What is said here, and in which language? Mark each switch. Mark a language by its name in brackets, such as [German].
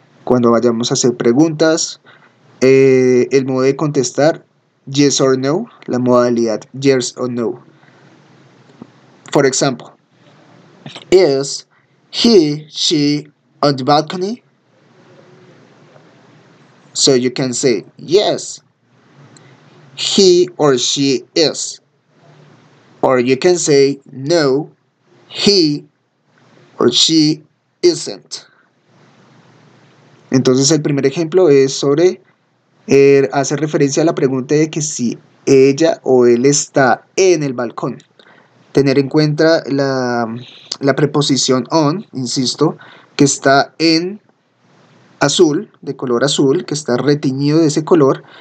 [Spanish] Cuando vayamos a hacer preguntas, el modo de contestar, [English] yes or no, [Spanish] la modalidad yes or no. [English] For example, is he, she on the balcony? So you can say yes, he or she is. Or you can say no, he or she isn't. [Spanish] Entonces el primer ejemplo es sobre, hace referencia a la pregunta de que si ella o él está en el balcón. Tener en cuenta la preposición on, insisto, que está en azul, de color azul, que está retiñido de ese color.